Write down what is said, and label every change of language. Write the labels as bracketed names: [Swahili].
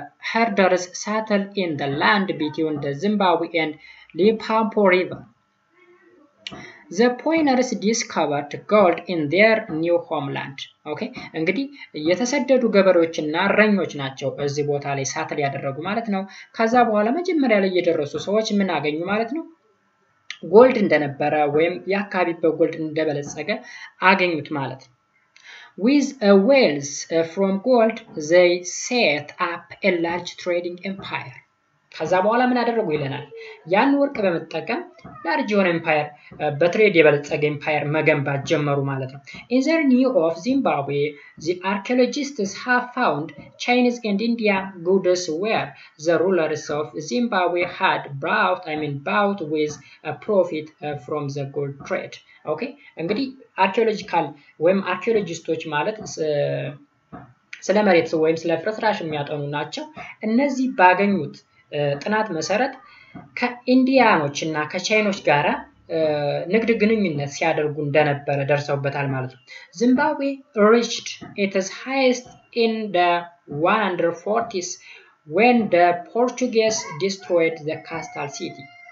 [English] ሄርደርስ ሳተል ኢን ዘ ላንድ ቢትዊን ዘ ዚምባብዌ ኤንድ ሊምፓምፖ ሪቨር። The pioneers discovered gold in their new homeland. Okay? [Amharic] እንግዲህ የተሰደዱ ገበሬዎችና ረኞች ናቸው እዚህ ቦታ ላይ ሳተል ያደረጉ ማለት ነው። ከዛ በኋላ መጀመሪያ ላይ የደረሱ ሰዎች ምን አገኙ ማለት ነው? ጎልድ እንደነበረ ወይም ያካቢ በጎልድ እንደበለጸገ አገኙት ማለት ነው። [English] With a wealth from gold, they set up a large trading empire. [Amharic] ከዛ በኋላ ምን አደረጉ ይለናል? ያን ወርቅ በመጠቀም ላርጅ ዮን ኤምፓየር በትሬድ የበለጸገ ኤምፓየር መገንባት ጀመሩ ማለት ነው። [English] In the new of Zimbabwe, the archaeologists have found Chinese and Indian goods where the rulers of Zimbabwe had bought with a profit from the gold trade. Okay? [Amharic] እንግዲህ አርኪኦሎጂካል ወይም አርኪኦሎጂስቶች ማለት ስለ መሬት ወይም ስለ ፍርስራሽ የሚያጠኑ ናቸው። እነዚህ ባገኙት ጥናት መሰረት ከኢንዲያኖች እና ከቻይኖች ጋራ ንግድ ግንኙነት ሲያደርጉ እንደነበረ ደርሰውበታል ማለት ነው። ዚምባብዌ [English] reached its highest in the 140s when the Portuguese destroyed the castle city.